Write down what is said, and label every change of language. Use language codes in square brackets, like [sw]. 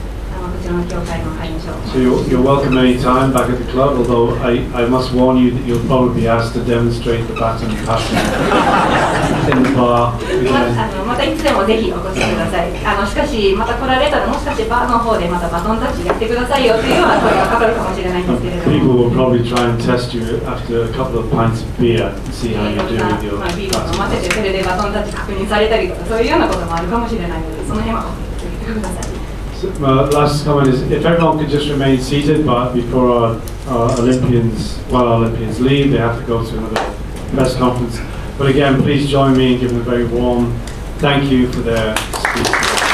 [en] So you're welcome any time back at the club, although I must warn you that you'll probably be asked to demonstrate the baton passing in the bar. [ja] またいつでもぜひお越しください。しかし、また来られたら、もしかしバーの方でまたバトンタッチやってくださいよというような声がかかるかもしれないんですけれども。 [en] People will probably try and test you after a couple of pints of beer and see how you're doing with your baton. [ja] ビール飲ませて、それでバトンタッチ確認されたりとか、そういうようなこともあるかもしれないので、その辺はお聞きください。 [en] My last comment is, if everyone could just remain seated, but before our Olympians leave, they have to go to another press conference. But again, please join me in giving a very warm thank you for their speech.